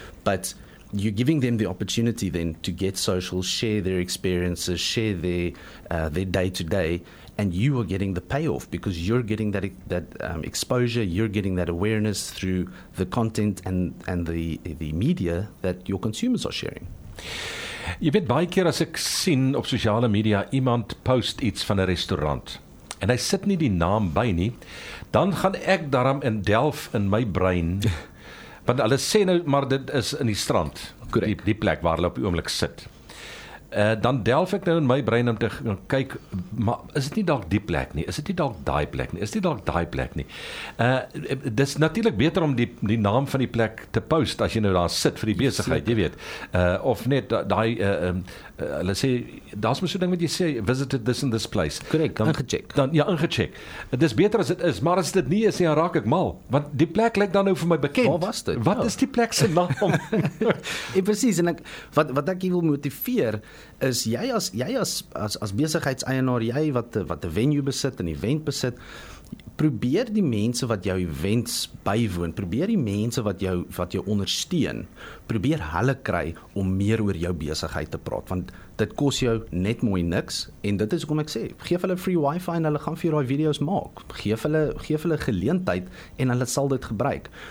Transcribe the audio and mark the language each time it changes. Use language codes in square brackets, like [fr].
[en] but you're giving them the opportunity then to get social, share their experiences, share their day-to-day, and you are getting the payoff because you're getting that exposure, you're getting that awareness through the content and the media that your consumers are sharing. [af] Jy weet, baie keer as ek sien op sosiale media iemand post iets van 'n restaurant en hy sit nie die naam by nie, dan gaan ek daarom in delf in my brein. Want hulle sê nou, maar dit is in die strand, die plek waar hulle op die oomblik sit. Dan delf ek nou in my brein om te kyk, maar is dit nie dalk die plek nie? Is dit nie dalk daai plek nie? Dis natuurlik beter om die naam van die plek te post as jy nou daar sit vir die besigheid, jy weet. Of net daai, hulle sê, daar is my so ding wat jy sê, [en] visited this and this place. [af] Correct, ingecheck. Ja, ingecheck. Het is beter as dit is, maar as dit nie is, dan raak ek mal. Want die plek lyk dan nou vir my bekend. Waar was dit? Wat is die plek se naam? Precies, en wat ek hier wil motiveer, is jy as besigheidseienaar, jy wat 'n venue besit, 'n event besit, probeer die mense wat jou events bywoon, probeer die mense wat jou ondersteun, probeer hulle kry om meer oor jou besigheid te praat, want dit kos jou net mooi niks, en dit is hoekom ek sê, geef hulle free wifi en hulle gaan vir jou daai video's maak, geef hulle geleentheid en hulle sal dit gebruik.